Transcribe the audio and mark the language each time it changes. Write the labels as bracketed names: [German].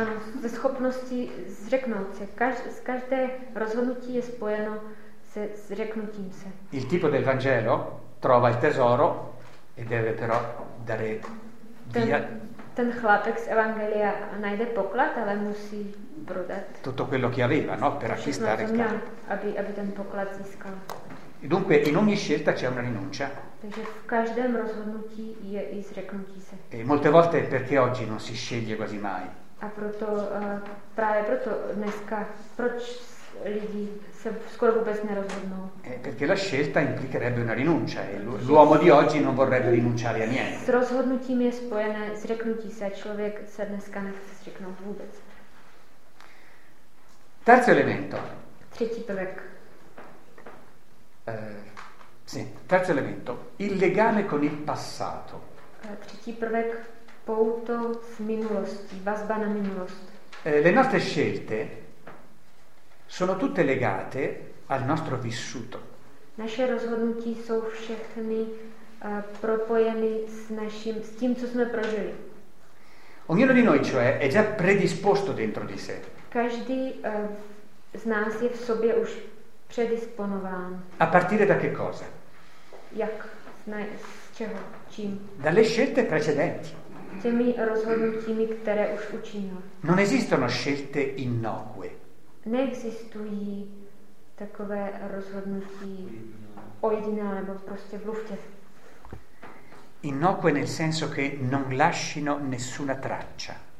[Czech] Ano, ze schopnosti zřeknout se. Každé rozhodnutí je spojeno se zřeknutím se. [Italian] Il tipo del Vangelo trova il tesoro e deve però dare via. [Czech] Ten chlapec z Evangelia najde poklad, ale musí prodat. [Italian] Tutto quello che aveva, no? Per acquistare il campo. [Czech] Aby ten poklad získal. [Italian] Dunque, in ogni scelta c'è una rinuncia. [Czech] Takže v každém rozhodnutí je i zřeknutí se. [Italian] E molte volte perché oggi non si sceglie quasi mai. [Czech] A proto, právě proto dneska, proč lidi se skoro vůbec nerozhodnou? [Italian] Perché la scelta implicherebbe una rinuncia e l'uomo di oggi non vorrebbe rinunciare a niente. [Czech] S rozhodnutím je spojené zřeknutí se, člověk se dneska nechce zřeknout vůbec. [Italian] Terzo elemento. [Czech] Třetí prvek. [Italian] Sì, terzo elemento, il legame con il passato. [Czech] Třetí prvek, pouto s minulostí, vazba na minulost. [Italian] Le nostre scelte sono tutte legate al nostro vissuto. [Czech] Naše rozhodnutí jsou všechny propojeny s tím, co jsme prožili. [Italian] Ognuno di noi, cioè, è già predisposto dentro di sé. [Czech] Každý z nás je v sobě už predisponován. [Italian] A partire da che cosa? [Czech] Jak? Z čeho? Čím? [Italian] Dalle scelte precedenti. [Czech] Těmi rozhodnutími, které už učinil. [Italian] Non esistono scelte innocue. [Czech] Neexistují takové rozhodnutí ojedinělé nebo prostě v luftě. [Italian] Innocue nel senso che non lasciano nessuna traccia.